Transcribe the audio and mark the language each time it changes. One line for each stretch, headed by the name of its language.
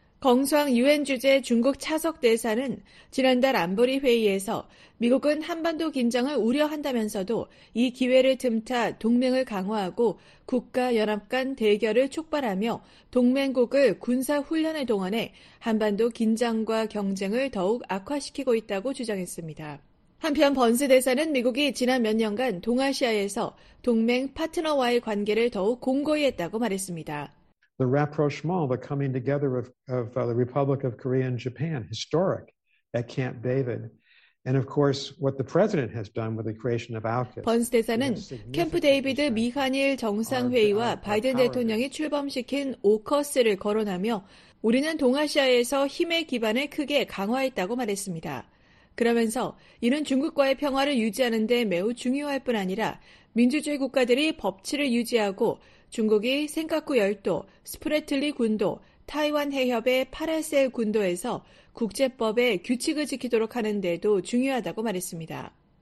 Korean: 경수항 유엔 주재 중국 차석 대사는 지난달 안보리 회의에서 미국은 한반도 긴장을 우려한다면서도 이 기회를 틈타 동맹을 강화하고 국가 연합 간 대결을 촉발하며 동맹국을 군사 훈련을 동원해 한반도 긴장과 경쟁을 더욱 악화시키고 있다고 주장했습니다. 한편 번스 대사는 미국이 지난 몇 년간 동아시아에서 동맹 파트너와의 관계를 더욱 공고히 했다고 말했습니다.
English: The rapprochement, the coming together of the Republic of Korea and Japan, historic at Camp David, and of course what the president has done with the creation of AUKUS.
Korean: 번스 대사는 캠프 데이비드 미한일 정상회의와 바이든 대통령이 출범시킨 오커스를 거론하며 우리는 동아시아에서 힘의 기반을 크게 강화했다고 말했습니다. 그러면서 이는 중국과의 평화를 유지하는 데 매우 중요할 뿐 아니라 민주주의 국가들이 법치를 유지하고 중국이 센카쿠 열도, 스프레틀리 군도, 타이완 해협의 파라셀 군도에서 국제법의 규칙을 지키도록 하는 데도 중요하다고 말했습니다.